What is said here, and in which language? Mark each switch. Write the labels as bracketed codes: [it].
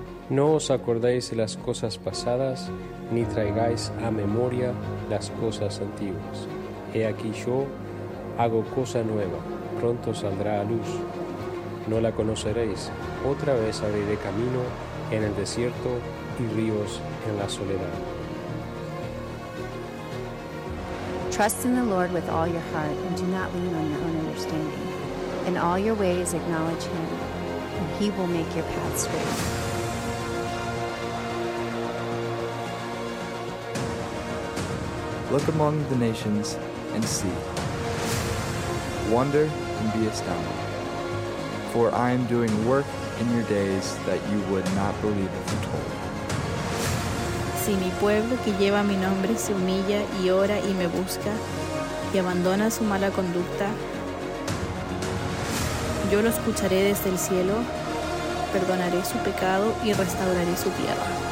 [es] No os acordéis de las cosas pasadas, ni traigáis a memoria las cosas antiguas. He aquí yo hago cosa nueva, pronto saldrá a luz. No la conoceréis, otra vez abriré camino en el desierto y ríos en la soledad. [en] Trust in the Lord with all your heart and do not lean on your own understanding. In all your ways acknowledge him, and he will make your path straight. Look among the nations and see. Wonder and be astounded. For I am doing work in your days that you would not believe if told. [es] Si mi pueblo que lleva mi nombre se humilla y ora y me busca y abandona su mala conducta, yo lo escucharé desde el cielo, perdonaré su pecado y restauraré su tierra.